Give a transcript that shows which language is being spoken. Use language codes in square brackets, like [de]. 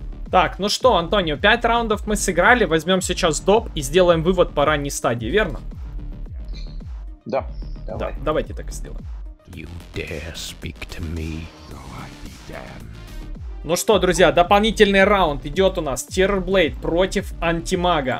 [ru] Так, ну что, Антонио, 5 раундов мы сыграли. Возьмем сейчас доп и сделаем вывод по ранней стадии, верно? Да, давай. Да, давайте так и сделаем. [en] You dare speak to me, though I be damned. [ru] Ну что, друзья, дополнительный раунд идет у нас. Террорблейд против антимага.